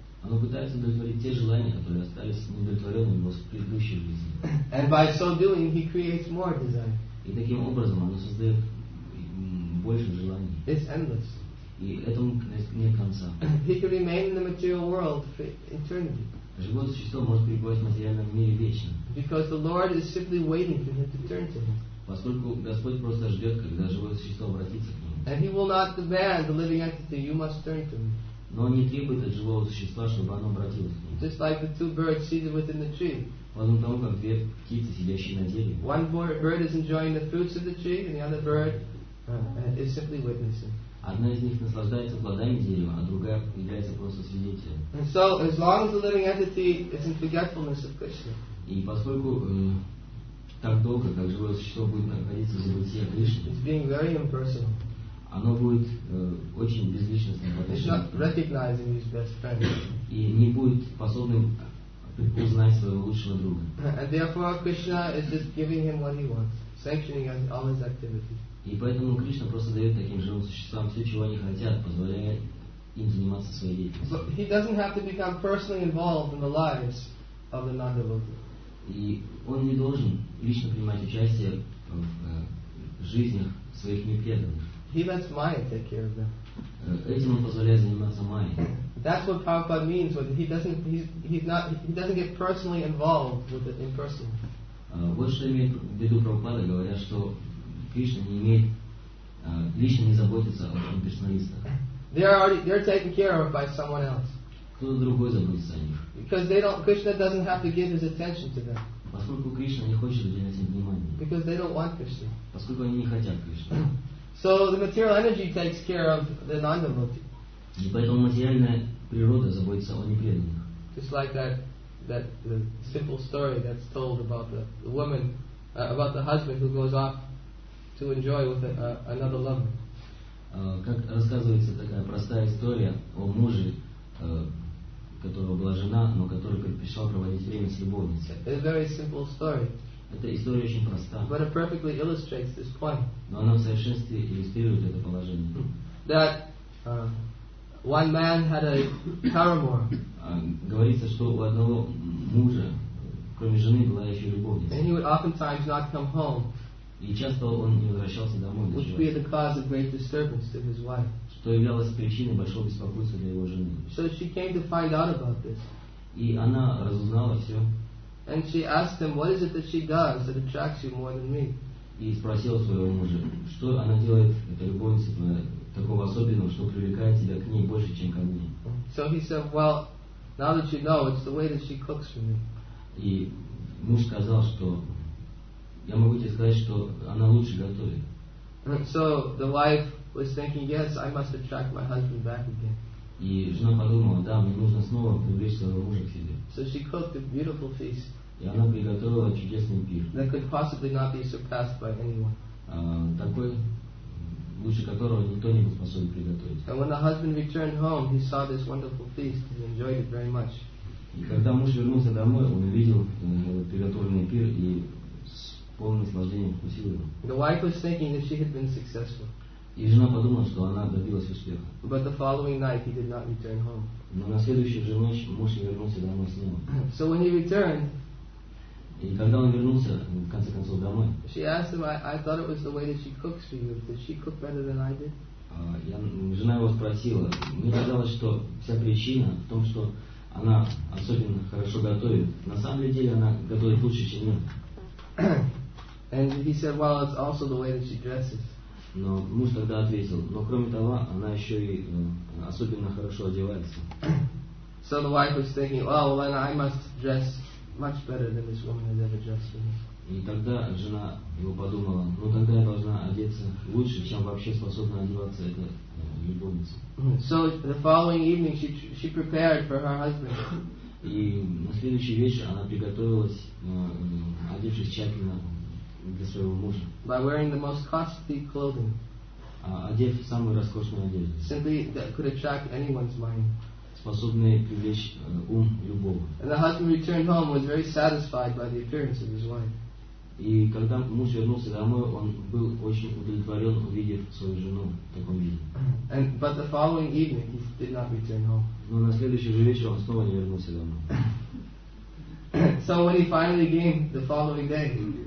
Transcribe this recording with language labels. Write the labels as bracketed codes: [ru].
[ru] Оно пытается удовлетворить те желания, которые остались неудовлетворенными в его предыдущей жизни. [en] And by so doing, he creates more desire. [ru] И таким образом оно создает больше желаний. [en] It's endless. [ru] И этому нет конца. [en] He can remain in the material world for eternity. [ru] Живое существо может пребывать в материальном мире вечно. [en] Because the Lord is simply waiting for him to turn to him. [ru] Поскольку Господь просто ждет, когда живое существо обратится к нему. [en] And he will not demand the living entity, you must turn to me. [ru] Но не требует от живого существа, чтобы оно обратилось к нему. [en] Just like the two birds seated within the tree. [ru] Подобно тому, как две птицы, сидящие на дереве. [en] One bird is enjoying the fruits of the tree, and the other bird is simply witnessing. [ru] Одна из них наслаждается плодами дерева, а другая является просто свидетелем. [en] And so, as long as the living entity is in forgetfulness of Krishna. [ru] И поскольку так долго, как живое существо будет находиться в забытии Кришны, [en] it's being very impersonal. [ru] Оно будет очень безличностным отношением. И не будет способным узнать своего лучшего друга. [en] And therefore Krishna is just giving him what he wants, sanctioning all his activities. [ru] И поэтому Кришна просто дает таким живым существам все, чего они хотят, позволяя им заниматься своей деятельностью. [en] But he doesn't have to become personally involved in the lives of the non-devotees. [ru] И он не должен лично принимать участие в жизнях своих непреданных. [en] He lets Maya take care of them. [ru] Этим он позволяет заниматься Майей. [en] That's what Prabhupada means when he doesn't get personally involved with it in person. [ru] Вот что имеет в виду Прабхупада, говоря, что Кришна не имеет лично не заботится о имперсоналистах. [en] They're taken care of by someone else. [ru] Кто-то другой заботится о них. [en] Because Krishna doesn't have to give his attention to them. [ru] Поскольку Кришна не хочет уделять им внимание. [en] Because they don't want Krishna. [ru] Поскольку они не хотят Кришну. [en] So the material energy takes care of the non-devotee. [ru] И поэтому материальная природа заботится о непреданных. [en] Just like that the simple story that's told about the woman, about the husband who goes off to enjoy with another lover. [ru] Как рассказывается такая простая история о муже, которого была жена, но который предпочел проводить время с любовницей. [en] It's a very simple story. [ru] Эта история очень проста. [en] But it perfectly illustrates this point. [ru] Но она в совершенстве иллюстрирует это положение. [en] That one man had a paramour. [ru] Говорится, что у одного мужа, кроме жены, была еще любовница. [en] And he would oftentimes not come home. [ru] И часто он не возвращался домой. [en] Which would be the cause of great disturbance to his wife. [ru] Что являлось причиной большого беспокойства для его жены. [en] So she came to find out about this. [ru] И она разузнала все. [en] And she asked him, what is it that she does that attracts you more than me? [ru] И спросила своего мужа, что она делает, эта любовница твоя, такого особенного, что привлекает тебя к ней больше, чем ко мне. [en] So he said, well, now that you know, it's the way that she cooks for me. [ru] И муж сказал, что я могу тебе сказать, что она лучше готовит. [en] So the wife was thinking, yes, I must attract my husband back again. [ru] И жена подумала, да, мне нужно снова привлечь своего мужа к себе. [en] So she cooked a beautiful feast. [ru] И она приготовила чудесный пир. [en] That could possibly not be surpassed by anyone. [ru] Такой, лучше которого никто не был способен приготовить. [en] And when the husband returned home, he saw this wonderful feast and enjoyed it very much. [ru] И когда муж вернулся домой, он увидел приготовленный пир и с полным наслаждением вкусил его. [en] The wife was thinking that she had been successful. [ru] И жена подумала, что она добилась успеха. [en] But the following night, he did not return home. [ru] Но на следующую же ночь муж вернулся домой с ним. [en] So when he returned, [ru] и когда он вернулся, в конце концов, домой, [en] she asked him, I thought it was the way that she cooks for you. Did she cook better than I did? [ru] Жена его спросила, мне казалось, что вся причина в том, что она особенно хорошо готовит. На самом деле она готовит лучше, чем я. [en] And he said, well, it's also the way that she dresses. [ru] Но муж тогда ответил, но кроме того, она еще и особенно хорошо одевается. [en] So the wife was thinking, oh, well, then I must dress much better than this woman has ever dressed for me. [ru] И тогда жена его подумала, ну тогда я должна одеться лучше, чем вообще способна одеваться эта любовница. [en] So the following evening she prepared for her husband. [ru] И на следующий вечер она приготовилась, одевшись тщательно для своего мужа. [en] By wearing the most costly clothing. [ru] Одев самую роскошную одежду. [en] Simply that could attract anyone's mind. [ru] Способные привлечь ум любого. [en] And the husband returned home was very satisfied by the appearance of his wife. [ru] И когда муж вернулся домой, он был очень удовлетворен, увидев свою жену в таком виде. [en] And, but the following evening he did not return home. [ru] Но на следующий же вечер он снова не вернулся домой. [en] So when he finally came the following day.